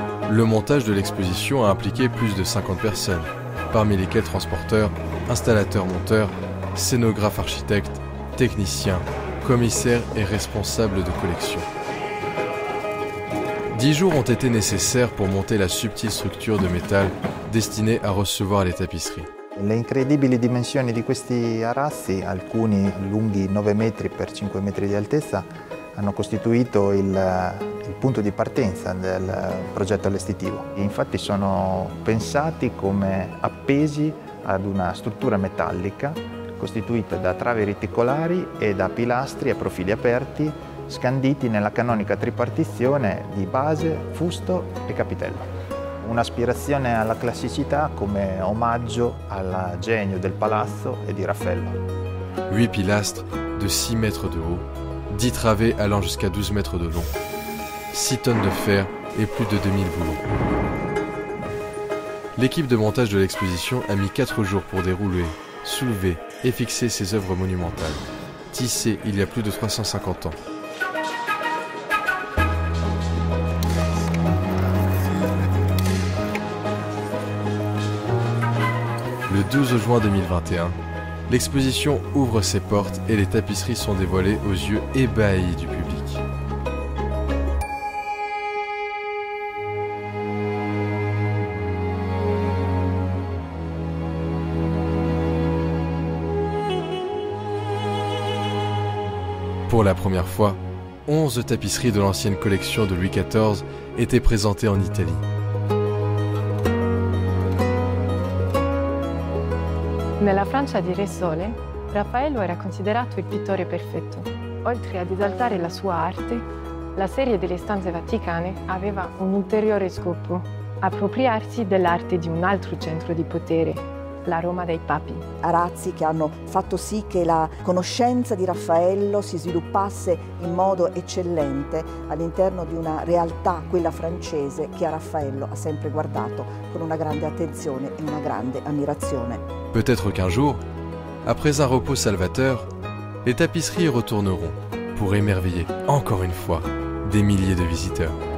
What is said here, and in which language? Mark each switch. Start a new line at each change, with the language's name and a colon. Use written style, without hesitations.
French: Le montage de l'exposition a impliqué plus de 50 personnes, parmi lesquelles transporteurs, installateurs, monteurs, scénographes, architectes, techniciens, commissaires et responsables de collection. 10 jours ont été nécessaires pour monter la subtile structure de métal destinée à recevoir les tapisseries.
Italian: Le incredibili dimensioni di questi arazzi, alcuni lunghi 9 metri per 5 metri di altezza, hanno costituito il punto di partenza del progetto allestitivo. Infatti sono pensati come appesi ad una struttura metallica costituita da travi reticolari e da pilastri a profili aperti scanditi nella canonica tripartizione di base, fusto e capitello. Un'aspirazione alla classicità come omaggio al genio del palazzo e di Raffaello.
French: 8 pilastri de 6 mètres de haut, 10 travées allant jusqu'à 12 mètres de long, 6 tonnes de fer et plus de 2000 boulons. L'équipe de montage de l'exposition a mis 4 jours pour dérouler, soulever et fixer ces œuvres monumentales, tissées il y a plus de 350 ans. Le 12 juin 2021, l'exposition ouvre ses portes et les tapisseries sont dévoilées aux yeux ébahis du public. Pour la première fois, 11 tapisseries de l'ancienne collection de Louis XIV étaient présentées en Italie.
Italian: Nella Francia di Re Sole, Raffaello era considerato il pittore perfetto. Oltre ad esaltare la sua arte, la serie delle stanze vaticane aveva un ulteriore scopo: appropriarsi dell'arte di un altro centro di potere, la Roma dei Papi. Arazzi che hanno fatto sì che la conoscenza di Raffaello si sviluppasse in modo eccellente all'interno di una realtà, quella francese, che a Raffaello ha sempre guardato con una grande attenzione e una grande ammirazione.
French: Peut-être qu'un jour, après un repos salvateur, les tapisseries retourneront pour émerveiller encore une fois des milliers de visiteurs.